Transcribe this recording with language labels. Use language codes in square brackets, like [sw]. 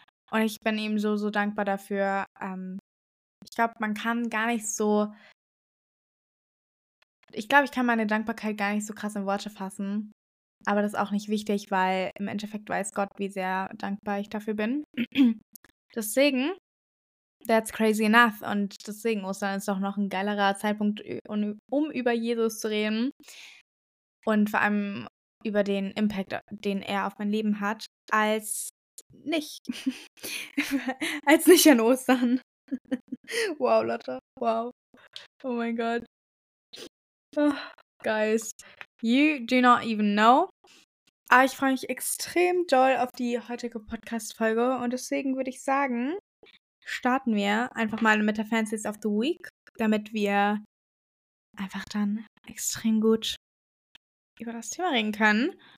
[de] Und ich bin ihm so, so dankbar dafür. Ich glaube, man kann gar nicht so. Ich glaube, ich kann meine Dankbarkeit gar nicht so krass in Worte fassen. Aber das ist auch nicht wichtig, weil im Endeffekt weiß Gott, wie sehr dankbar ich dafür bin. Deswegen, [en] that's crazy enough. [de] Und deswegen, Ostern ist doch noch ein geilerer Zeitpunkt, um über Jesus zu reden. Und vor allem über den Impact, den er auf mein Leben hat, als nicht. Als nicht an Ostern. Wow, Leute, wow. Oh mein Gott. [en] Oh, guys, you do not even know. [de] Aber ich freue mich extrem doll auf die heutige Podcast-Folge und deswegen würde ich sagen, starten wir einfach mal mit der Fancies of the Week, damit wir einfach dann extrem gut über das Thema reden können.